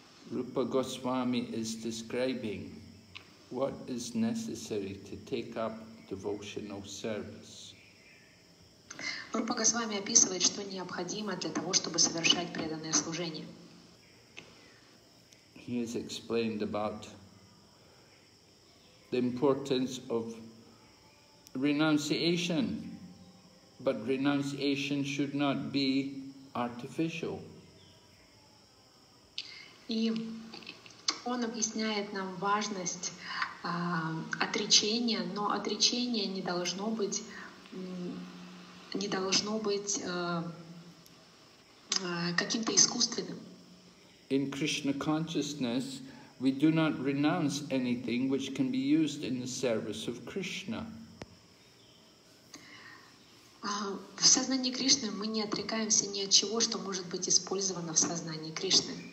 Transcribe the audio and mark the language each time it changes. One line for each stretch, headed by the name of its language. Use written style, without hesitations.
English: Rupa Goswami is describing what is necessary to take up devotional service.
Russian: Rupa Goswami описывает, что необходимо для того, чтобы совершать преданное служение.
English: He has explained about the importance of renunciation. But renunciation should not be artificial.
Russian: И он объясняет нам важность отречения, но отречение не должно быть каким-то искусственным.
English: In Krishna consciousness, we do not renounce anything which can be used in the service of Krishna.
Russian: В сознании Кришны мы не отрекаемся ни от чего, что может быть использовано в сознании Кришны.